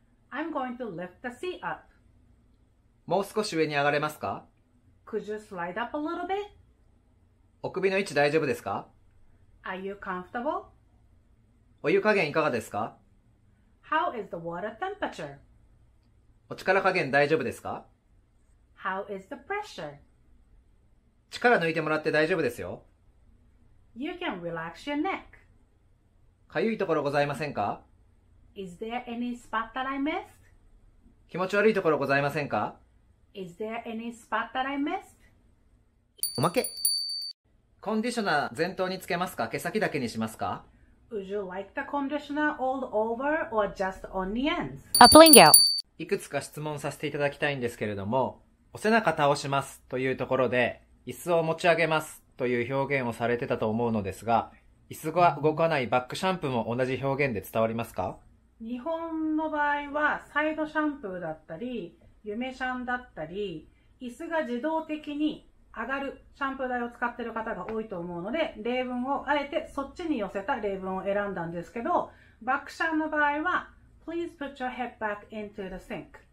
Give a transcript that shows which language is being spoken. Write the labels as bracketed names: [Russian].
[English] I'm going to lift the seat up. [Japanese] もう少し上に上がれますか？ [English] Could you slide up a little bit? [Japanese] お首の位置大丈夫ですか？ [English] Are you comfortable? [Japanese] お湯加減いかがですか？ [English] How is the water temperature? [Japanese] お力加減大丈夫ですか？ [English] How is the pressure? [Japanese] 力抜いてもらって大丈夫ですよ。 [English] You can relax your neck. [Japanese] かゆいところございませんか？ [English] Is there any spot that I missed? [Japanese] 気持ち悪いところございませんか？ [English] Is there any spot that I missed? [Japanese] おまけ。コンディショナー全頭につけますか？毛先だけにしますか？ [English] Would you like the conditioner all over or just on the ends? アプリンギャル。 [Japanese] いくつか質問させていただきたいんですけれども、お背中倒しますというところで、椅子を持ち上げますという表現をされてたと思うのですが、椅子が動かないバックシャンプーも同じ表現で伝わりますか？日本の場合はサイドシャンプーだったり、夢シャンだったり、椅子が自動的に上がるシャンプー台を使っている方が多いと思うので、例文をあえてそっちに寄せた例文を選んだんですけど、バックシャンの場合は [English] Please put your head back into the sink.